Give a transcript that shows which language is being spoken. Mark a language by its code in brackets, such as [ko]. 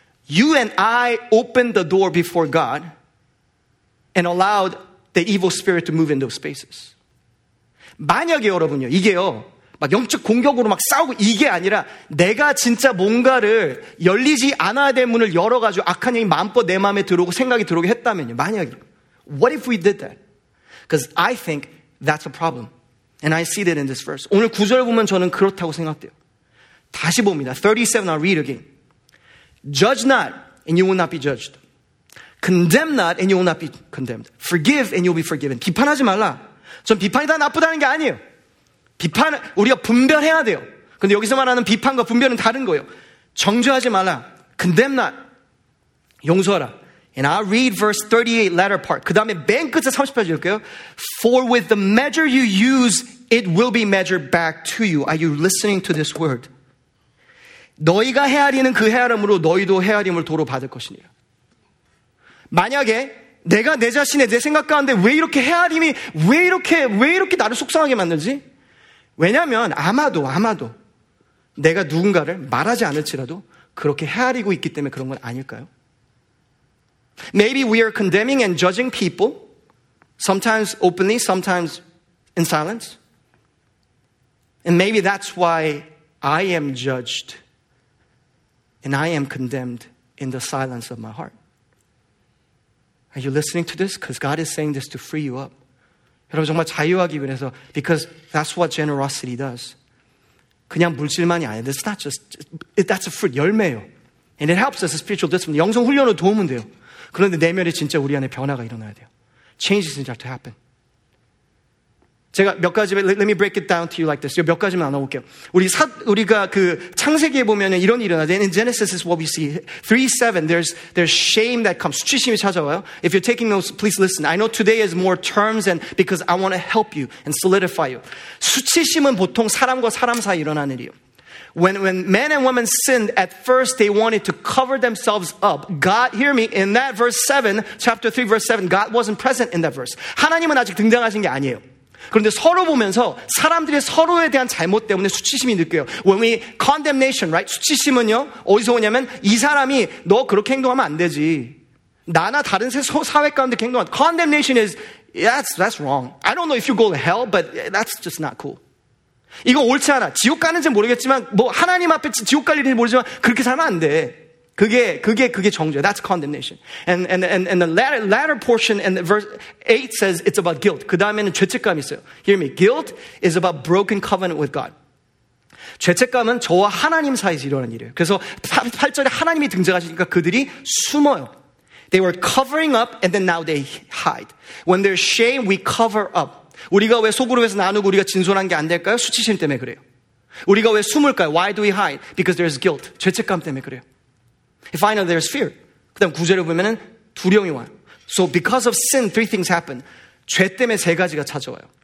[en] You and I opened the door before God and allowed the evil spirit to move in those spaces. [ko] 만약에 여러분요, 이게요, 막 영적 공격으로 막 싸우고 이게 아니라 내가 진짜 뭔가를 열리지 않아야 될 문을 열어가지고 악한 영이 마음껏 내 마음에 들어오고 생각이 들어오게 했다면요, 만약에. [en] What if we did that? Because I think that's a problem. And I see that in this verse. [ko] 오늘 구절 보면 저는 그렇다고 생각돼요. 다시 봅니다. [en] 37, I'll read again. Judge not, and you will not be judged. Condemn not, and you will not be condemned. Forgive, and you'll be forgiven. [ko] 비판하지 말라. 전 비판이 다 나쁘다는 게 아니에요. 비판, 우리가 분별해야 돼요. 근데 여기서 말하는 비판과 분별은 다른 거예요. 정죄하지 말라. [en] Condemn not. [ko] 용서하라. [en] And I'll read verse 38, latter part. [ko] 그 다음에 맨 끝에 38절 읽을게요. [en] For with the measure you use, it will be measured back to you. Are you listening to this word? [ko] 너희가 헤아리는 그 헤아림으로 너희도 헤아림을 도로 받을 것이니라. 만약에 내가 내 자신의 내 생각 가운데 왜 이렇게 헤아림이 왜 이렇게 나를 속상하게 만들지? 왜냐하면 아마도 내가 누군가를 말하지 않을지라도 그렇게 헤아리고 있기 때문에 그런 건 아닐까요? [en] Maybe we are condemning and judging people, sometimes openly, sometimes in silence. And maybe that's why I am judged and I am condemned in the silence of my heart. Are you listening to this? Because God is saying this to free you up. [ko] 여러분 정말 자유하기 위해서, [en] because that's what generosity does. [ko] 그냥 물질만이 아니에요. [en] It's not just, that's a fruit, [ko] 열매예요. [en] And it helps us in spiritual discipline. [ko] 영성 훈련으로 도움은 돼요. 그런데 내면에 진짜 우리 안에 변화가 일어나야 돼요. [en] Changes start to happen. [ko] 제가 몇 가지, [en] let me break it down to you like this. [ko] 몇 가지만 나눠볼게요. 우리가 그 창세기에 보면 이런 일이 일어나요. [en] In Genesis is what we see. 3:7, there's shame that comes. [ko] 수치심이 찾아와요. [en] If you're taking notes, please listen. I know today is more terms and because I want to help you and solidify you. [ko] 수치심은 보통 사람과 사람 사이 일어나는 일이에요. [en] When men and women sinned, at first they wanted to cover themselves up. God, hear me, in that verse 7, chapter 3, verse 7, God wasn't present in that verse. [ko] 하나님은 아직 등장하신 게 아니에요. 그런데 서로 보면서 사람들이 서로에 대한 잘못 때문에 수치심이 느껴요. [en] When we condemnation, right? [ko] 수치심은요, 어디서 오냐면 이 사람이 너 그렇게 행동하면 안 되지. 나나 다른 사회 가운데 행동한. [en] Condemnation is, that's wrong. I don't know if you go to hell, but that's just not cool. [ko] 이거 옳지 않아. 지옥 가는지는 모르겠지만, 뭐 하나님 앞에 지옥 갈 일인지 모르지만 그렇게 살면 안 돼. 그게 정죄. [en] That's condemnation. And the latter portion in verse 8 says it's about guilt. [ko] 그 다음에는 죄책감이 있어요. [en] Hear me. Guilt is about broken covenant with God. [ko] 죄책감은 저와 하나님 사이에 일어난 일이에요. 그래서 8절에 하나님이 등장하시니까 그들이 숨어요. [en] They were covering up and then now they hide. When there's shame, we cover up. [ko] 우리가 왜 소그룹에서 나누고 우리가 진솔한 게 안 될까요? 수치심 때문에 그래요. 우리가 왜 숨을까요? [en] Why do we hide? Because there's guilt. [ko] 죄책감 때문에 그래요. [en] And finally, there's fear. [ko] 그 다음 구절을 보면은 두려움이 와요. [en] So because of sin, three things happen. [ko] 죄 때문에 세 가지가 찾아와요.